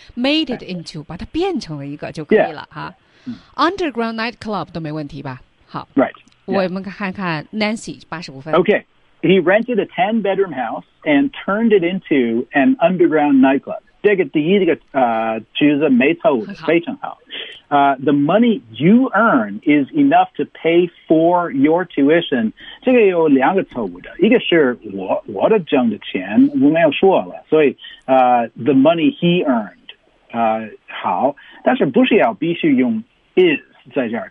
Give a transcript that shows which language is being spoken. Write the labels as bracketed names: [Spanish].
[English] Made it into, [Chinese] 把它变成了一个就可以了。Underground nightclub 都没问题吧。好。 [English] Right. [Chinese] 我们看看 Nancy, 85分。 [English] Okay. He rented a 10 bedroom house and turned it into an underground nightclub. [Chinese] 这个第一个句子没错非常好。 [English] The money you earn is enough to pay for your tuition. [Chinese] 这个有两个错误的。一个是我的挣的钱我没有说了。所以 [English] the money he earned, 好。 [Chinese] 但是不需要必须用 is 在这儿。